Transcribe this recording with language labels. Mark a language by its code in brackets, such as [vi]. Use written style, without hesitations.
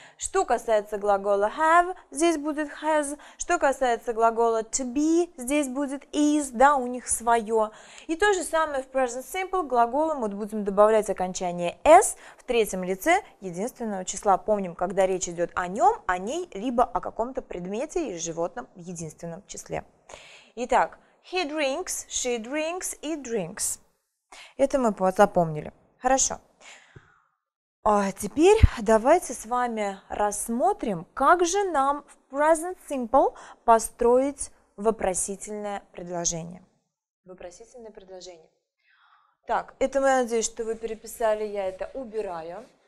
[ru] Что касается глагола have, здесь будет has, что касается глагола to be, здесь будет is, да, у них свое. И то же самое в present simple, глаголы мы будем добавлять окончание s в третьем лице единственного числа. Помним, когда речь идет о нем, о ней, либо о каком-то предмете и животном в единственном числе. [en] Итак, he drinks, she drinks, he drinks. [ru] Это мы запомнили. Хорошо. А теперь давайте с вами рассмотрим, как же нам в present simple построить вопросительное предложение. Вопросительное предложение. Так, это мы, надеюсь, что вы переписали, я это убираю.